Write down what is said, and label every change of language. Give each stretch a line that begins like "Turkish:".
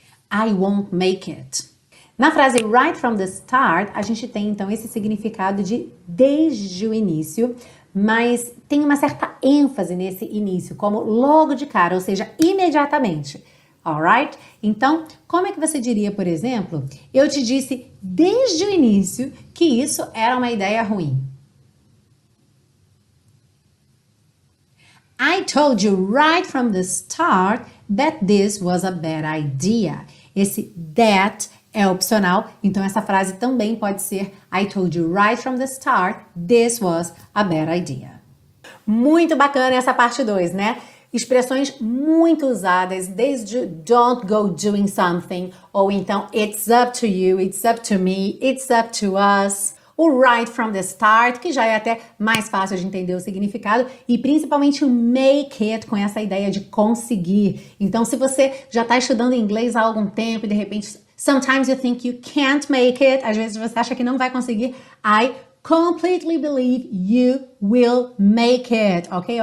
English: I won't make it.
Portuguese: Na frase
English: right from the start,
Portuguese: a gente tem, então, esse significado de desde o início, mas tem uma certa ênfase nesse início, como logo de cara, ou seja, imediatamente. Alright? Então, como é que você diria, por exemplo, eu te disse desde o início que isso era uma ideia ruim?
English: I told you right from the start that this was a bad idea.
Portuguese: Esse that é opcional, então essa frase também pode ser
English: I told you right from the start this was a bad idea.
Portuguese: Muito bacana essa parte 2, né? Expressões muito usadas, desde
English: don't go doing something,
Portuguese: ou então
English: it's up to you, it's up to me, it's up to us.
Portuguese: O
English: right from the start,
Portuguese: que já é até mais fácil de entender o significado, e principalmente o make it, com essa ideia de conseguir. Então, se você já está estudando inglês há algum tempo e de repente,
English: sometimes you think you can't make it,
Portuguese: às vezes você acha que não vai conseguir,
English: I completely believe you will make it,
Portuguese: ok?